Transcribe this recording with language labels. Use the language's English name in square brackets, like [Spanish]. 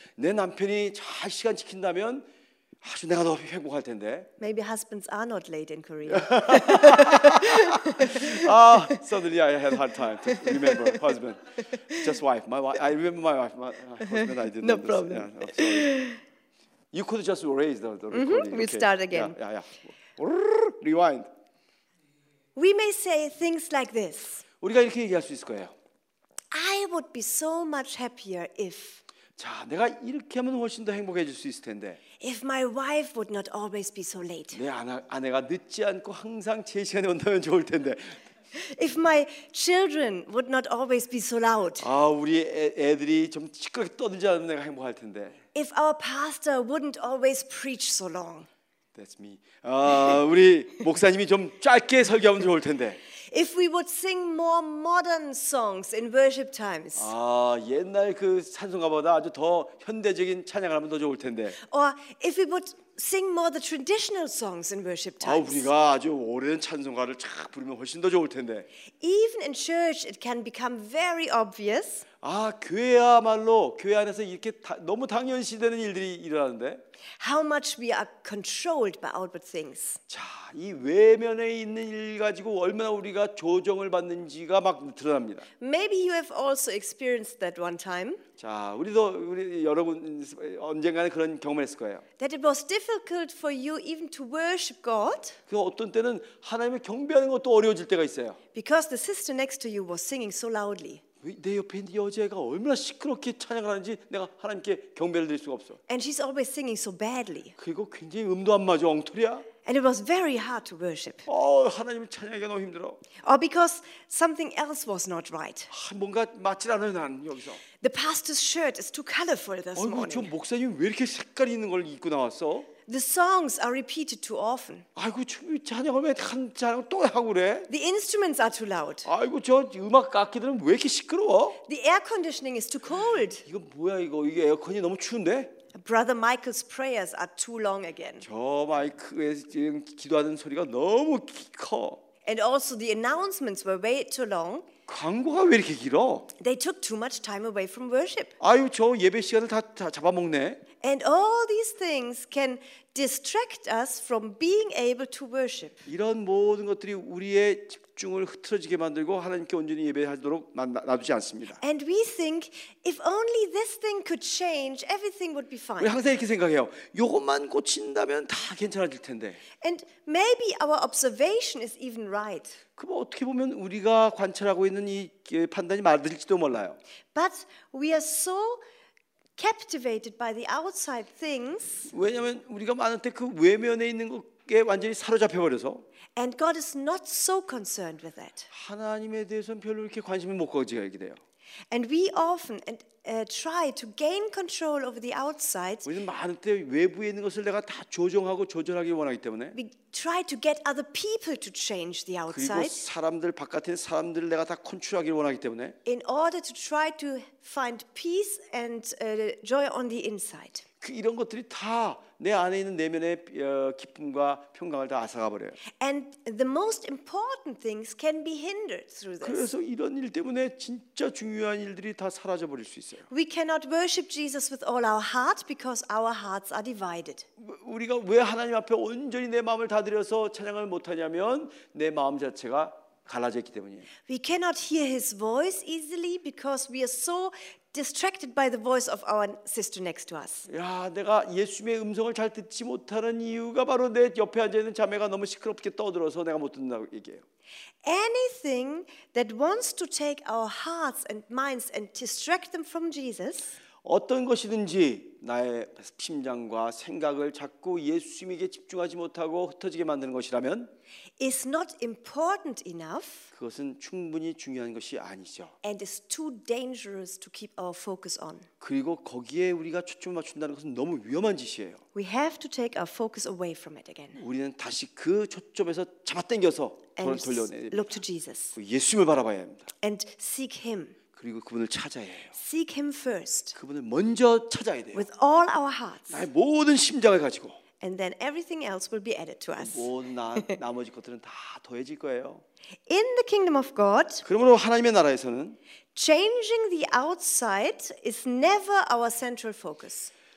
[Korean] 내 남편이 잘 시간 지킨다면 아주 내가 더 행복할 텐데. [English] Maybe husbands are not late in Korea. suddenly I had hard time to remember husband. Just wife. My wife. I remember my wife. My husband, I didn't. No problem. Yeah, you could just erase the recording. Mm-hmm. We'll okay. start again. Rewind. We may say things like this. [Korean] 우리가 이렇게 얘기할 수 있을 거예요. [English] I would be so much happier if. [Korean] 자, 내가 이렇게 하면 훨씬 더 행복해질 수 있을 텐데. [English] If my wife would not always be so late. [Korean] 내 아내가 늦지 않고 항상 제 시간에 온다면 좋을 텐데. [English] If my children would not always be so loud. [Korean] 아, 우리 애들이 좀 시끄럽게 떠들지 않으면 내가 행복할 텐데. [English] If our pastor wouldn't always preach so long. That's me. [Korean] 아, 우리 목사님이 좀 짧게 설교하면 좋을 텐데. [English] If we would sing more modern songs in worship times. [Korean] 아, 옛날 그 찬송가보다 아주 더 현대적인 찬양을 하면 더 좋을 텐데. [English] Or if we would sing more the traditional songs in worship times. [Korean] 아, 우리가 아주 오랜 찬송가를 쫙 부르면 훨씬 더 좋을 텐데. [English] Even in church it can become very obvious. [Korean] 아, 교회야말로 교회 안에서 이렇게 너무 당연시되는 일들이 일어나는데. [English] How much we are controlled by outward things. [Korean] 자, 이 외면에 있는 일 가지고 얼마나 우리가 조정을 받는지가 막 드러납니다. [English] Maybe you have also experienced that one time. [Korean] 자, 우리도 우리 여러분 언젠가는 그런 경험했을 거예요. [English] That it was difficult for you even to worship God. [Korean] 그 어떤 때는 하나님을 경배하는 것도 어려워질 때가 있어요. [English] Because the sister next to you was singing so loudly. [Korean] 내 옆에 있는 여자애가 얼마나 시끄럽게 찬양을 하는지 내가 하나님께 경배를 드릴 수가 없어. [English] And she's always singing so badly. [Korean] 그리고 굉장히 음도 안 맞아, 엉터리야. [English] And it was very hard to worship. [Korean] 어, 하나님을 찬양하기가 너무 힘들어. [English] Or because something else was not right. [Korean] 아, 뭔가 맞지 않아요, 난 여기서. [English] The pastor's shirt is too colorful this morning. [Korean] 아이고, 저 목사님 왜 이렇게 색깔 있는 걸 입고 나왔어? [English] The songs are repeated too often. [Korean] 아이고 찬양을 왜 한 찬양 또 하고 그래? [English] The instruments are too loud. [Korean] 아이고 저 음악 악기들은 왜 이렇게 시끄러워? [English] The air conditioning is too cold. [Korean] 이거 뭐야 이거? 이게 에어컨이 너무 추운데? [English] Brother Michael's prayers are too long again. [Korean] 저 마이크의 기도하는 소리가 너무 커. [English] And also the announcements were way too long. [Korean] 광고가 왜 이렇게 길어? [English] They took too much time away from worship. [Korean] 아유 저 예배 시간을 다 잡아먹네. [English] And all these things can distract us from being able to worship. [Korean] 이런 모든 것들이 우리의 집중을 흐트러지게 만들고 하나님께 온전히 예배하도록 놔두지 않습니다. [English] And we think if only this thing could change, everything would be fine. [Korean] 우리 항상 이렇게 생각해요. 이것만 고친다면 다 괜찮아질 텐데. [English] And maybe our observation is even right. [Korean] 그럼 어떻게 보면 우리가 관찰하고 있는 이 판단이 맞을지도 몰라요. [English] But we are so captivated by the outside things. [Korean] 왜냐면 우리가 많은 때 그 외면에 있는 것에 완전히 사로잡혀 버려서. [English] And God is not so concerned with that. [Korean] 하나님에 대해서는 별로 이렇게 관심을 못 가지게 돼요. [English] And we often try to gain control over the outside. [Korean] 우리는 많은 때 외부에 있는 것을 내가 다 조정하고 조절하기 원하기 때문에. [English] We try to get other people to change the outside. [Korean] 그리고 사람들 바깥에 있는 사람들을 내가 다 컨트롤하기 원하기 때문에. [English] In order to try to find peace and joy on the inside. [Korean] 이런 것들이 다 내 안에 있는 내면의 기쁨과 평강을 다 앗아가 버려요. [English] And the most important things can be hindered through this. [Korean] 그래서 이런 일 때문에 진짜 중요한 일들이 다 사라져 버릴 수 있어요. [English] We cannot worship Jesus with all our heart because our hearts are divided. [Korean] 우리가 왜 하나님 앞에 온전히 내 마음을 다 드려서 찬양을 못 하냐면 내 마음 자체가 갈라져 있기 때문이에요. [English] We cannot hear his voice easily because we are so distracted by the voice of our sister next to us. [Korean] 야, 내가 예수님의 음성을 잘 듣지 못하는 이유가 바로 내 옆에 앉아 있는 자매가 너무 시끄럽게 떠들어서 내가 못 듣는다고 얘기해요. [English] Anything that wants to take our hearts and minds and distract them from Jesus. [Korean] 어떤 것이든지 나의 심장과 생각을 자꾸 예수님에게 집중하지 못하고 흩어지게 만드는 것이라면 [English] is not important enough. [Korean] 그것은 충분히 중요한 것이 아니죠. [English] And is too dangerous to keep our focus on. [Korean] 그리고 거기에 우리가 초점을 맞춘다는 것은 너무 위험한 짓이에요. [English] We have to take our focus away from it again. [Korean] 우리는 다시 그 초점에서 잡아당겨서 돌려내야 [English] look to Jesus. [Korean] 예수님을 바라봐야 합니다. [English] And seek him. [Korean] 그리고 그분을 찾아야 해요. [English] Seek him first. [Korean] 그분을 먼저 찾아야 돼요. [English] With all our hearts. [Korean] 나의 모든 심장을 가지고. [English] And then everything else will be added to us. [Korean] 나머지 것들은 다 더해질 거예요. [English] In the kingdom of God. [Korean] 그러므로 하나님의 나라에서는 [English] changing the outside is never our central focus.